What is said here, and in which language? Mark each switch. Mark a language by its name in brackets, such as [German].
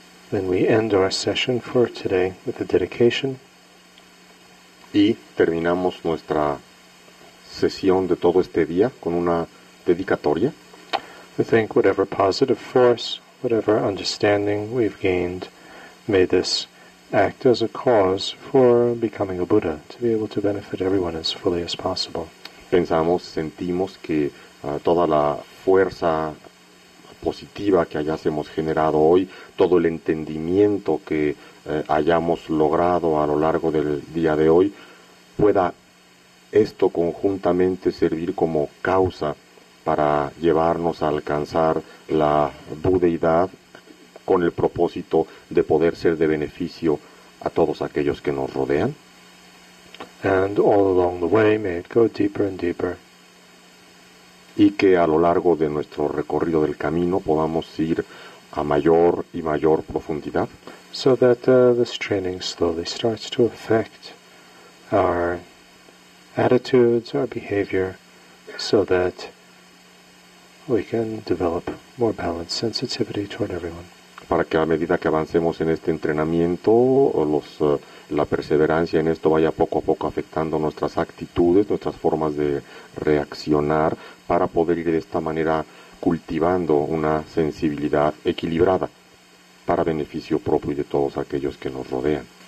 [English] Then we end our session for today with a dedication. [Spanish] Y terminamos nuestra sesión de todo este día con una dedicatoria. [English] We thank whatever positive force, whatever understanding we've gained, may this act as a cause for becoming a Buddha, to be able to benefit everyone as fully as possible. [Spanish] Pensamos, sentimos que toda la fuerza positiva que hayamos generado hoy, todo el entendimiento que hayamos logrado a lo largo del día de hoy, pueda esto conjuntamente servir como causa para llevarnos a alcanzar la budeidad con el propósito de poder ser de beneficio a todos aquellos que nos rodean. [English] And all along the way, may it go deeper and deeper. [Spanish] Y que a lo largo de nuestro recorrido del camino podamos ir a mayor y mayor profundidad. [English] So that this training slowly starts to affect our attitudes, our behavior, so that we can develop more balanced sensitivity toward everyone. [Spanish] Para que a medida que avancemos en este entrenamiento, la perseverancia en esto vaya poco a poco afectando nuestras actitudes, nuestras formas de reaccionar, para poder ir de esta manera cultivando una sensibilidad equilibrada para beneficio propio y de todos aquellos que nos rodean.